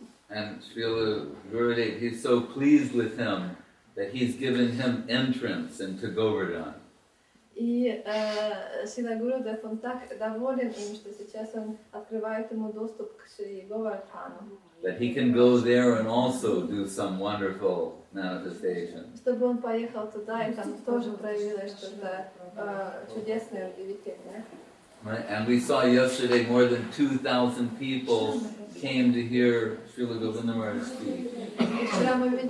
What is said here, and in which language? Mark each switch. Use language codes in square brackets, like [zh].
[en] And Srila Gurudev, he's so pleased with him that he's given him entrance into Govardhan. [ru] И Srila Gurudev, он так доволен им, что сейчас он открывает ему доступ к Шри Говардхану. [en] That he can go there and also do some wonderful manifestation. [ru] Чтобы он поехал туда и там тоже проявилось что-то чудесное, удивительное. [en] Right. And we saw yesterday more than 2,000 people came to hear Srila Govinda Maharaj speak.